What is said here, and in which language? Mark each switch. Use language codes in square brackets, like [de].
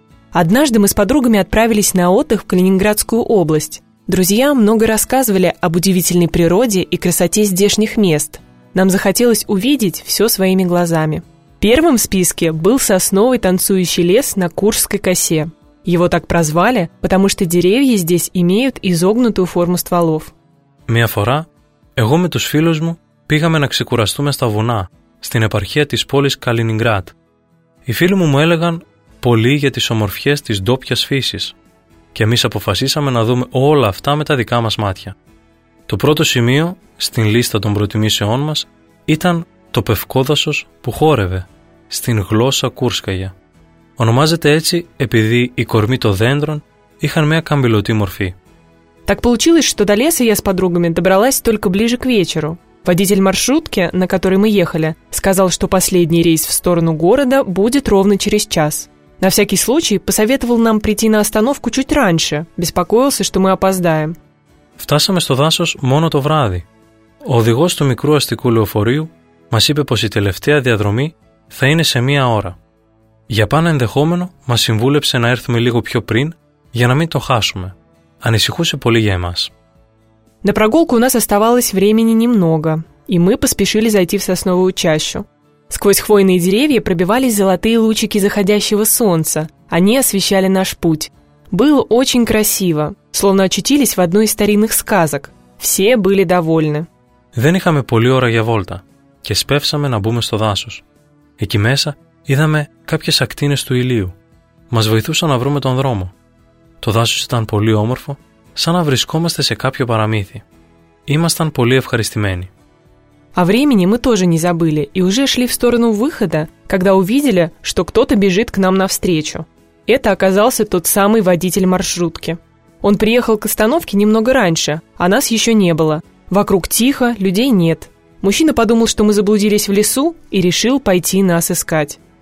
[ru] Однажды мы с подругами отправились на отдых в Калининградскую область. Друзья много рассказывали об удивительной природе и красоте здешних мест. Нам захотелось увидеть все своими глазами. Первым в списке был сосновый танцующий лес на Куршской косе. Его так прозвали, потому что деревья здесь имеют изогнутую форму стволов. [el] Мия фора, εγώ με τους φίλους μου πήγαμε να ξεκουραστούμε στα βουνά, στην επαρχία της πόλης Καλινιγκράτ. Οι φίλοι μου έλεγαν πολύ για τις ομορφιές της ντόπιας φύσης και εμείς αποφασίσαμε να δούμε όλα αυτά με τα δικά μας μάτια. Το πρώτο σημείο στην λίστα των προτιμήσεών μας ήταν το πευκόδασος που χόρευε στην γλώσσα Κούρσκαγια. Ονομάζεται έτσι επειδή οι κορμοί των δέντρων είχαν μια καμπυλωτή μορφή. [ru] Так получилось, что до леса я с подругами добралась только ближе к вечеру. Водитель маршрутки, на которой мы ехали, сказал, что последний рейс в сторону города будет ровно через час. На всякий случай посоветовал нам прийти на остановку чуть раньше, беспокоился, что мы опоздаем. [el] Φτάσαμε στο δάσος μόνο το βράδυ. Ο οδηγός του μικρού αστικού λεωφορείου μας είπε πως η τελευταία διαδρομή θα είναι σε μία ώρα. Για πάνω ενδεχόμενο μας συμβούλεψε να έρθουμε λίγο πιο πριν για να μην το χάσουμε. Ανησυχούσε πολύ για εμάς. [ru] На прогулку у нас оставалось времени немного, и мы поспешили зайти в сосновую чащу. Сквозь хвойные деревья пробивались золотые лучики заходящего солнца. Они освещали наш путь. Было очень красиво, словно очутились в одной из старинных сказок. Все были довольны. [el] Δεν είχαμε πολλή ώρα για βόλτα και σπεύσαμε να μπούμε στο δάσος. Εκεί μέσα είδαμε κάποιες ακτίνες του ηλίου. Μας βοηθούσαν να βρούμε τον δρόμο. Το δάσος ήταν πολύ όμορφο, σαν να βρισκόμαστε σε κάποιο παραμύθι. Ήμασταν πολύ ευχαριστημένοι. [ru] А времени мы тоже не забыли и уже шли в сторону выхода, когда увидели, что кто-то бежит к нам навстречу. Это оказался тот самый водитель маршрутки. Он приехал к остановке немного раньше, а нас еще не было. Вокруг тихо, людей нет. Мужчина подумал, что мы заблудились в лесу и решил пойти нас искать.